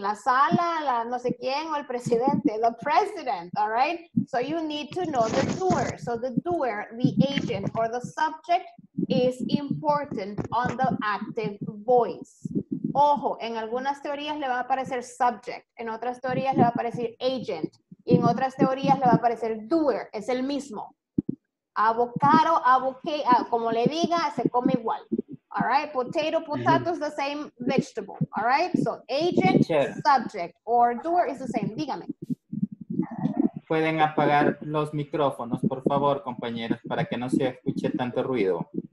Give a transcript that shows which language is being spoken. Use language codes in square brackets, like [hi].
[es] La sala, la no sé quién, o el presidente. [en] The president, all right? So you need to know the doer. So the doer, the agent, or the subject is important on the active voice. [es] Ojo, en algunas teorías le va a aparecer subject. En otras teorías le va a aparecer agent. Y en otras teorías le va a aparecer doer. Es el mismo. Avocado, como le diga, se come igual. [en] All right, potato is the same vegetable. All right, so agent, subject, or doer is the same. [es] Dígame. ¿Pueden apagar los micrófonos, por favor, compañeros, para que no se escuche tanto ruido?